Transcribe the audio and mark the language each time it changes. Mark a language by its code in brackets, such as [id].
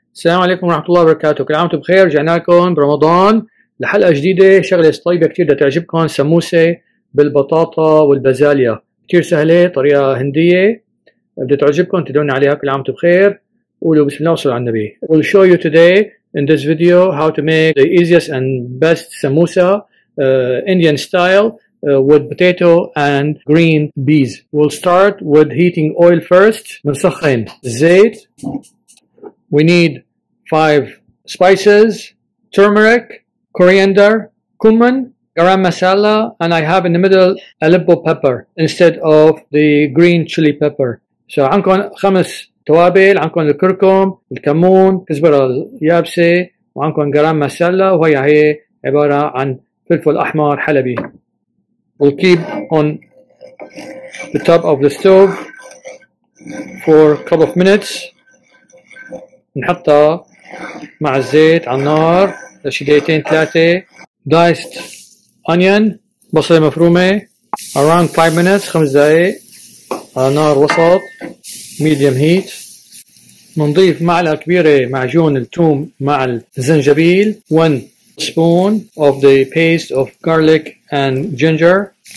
[ar] السلام عليكم ورحمة الله وبركاته، كل عام وانتم بخير. رجعنا لكم برمضان لحلقة جديدة، شغلة طيبة كتير تعجبكم، سموسة بالبطاطا والبازاليا، كتير سهلة، طريقة هندية بدها تعجبكم، تدعوني عليها. كل عام وانتم بخير، قولوا بسم الله وصلوا على النبي. [en] We'll show you today in this video how to make the easiest and best samosa Indian style with potato and green peas. We'll start with heating oil first. [ar] بنسخن الزيت. [en] We need 5 spices: turmeric, coriander, cumin, garam masala, and I have in the middle Aleppo pepper instead of the green chili pepper. [ar] So عنكم 5 توابل، عنكم الكركم، الكمون، كزبرة اليابسة، وعنكم garam masala، وهي هي عبارة عن فلفل أحمر حلبي. [en] We'll keep on the top of the stove for a couple of minutes. [ar] نحطها مع الزيت على النار لشي دقيقتين ثلاثة. [en] Diced onion، [ar] بصلة مفرومة، [en] around 5 minutes، [ar] 5 دقائق على نار وسط [en] medium heat. [ar] منضيف معلقة كبيرة معجون الثوم مع الزنجبيل، [en] 1 spoon of the paste of garlic and ginger.